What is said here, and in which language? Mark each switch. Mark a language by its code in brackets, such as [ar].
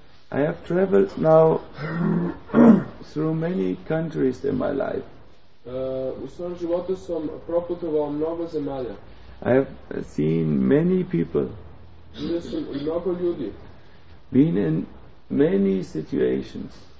[en] I have traveled now through many countries in my life. [sr] U svom životu sam proputovao mnogo zemalja. [en] I have seen many people. [sr] Vidio sam mnogo ljudi. [en] Been in many situations.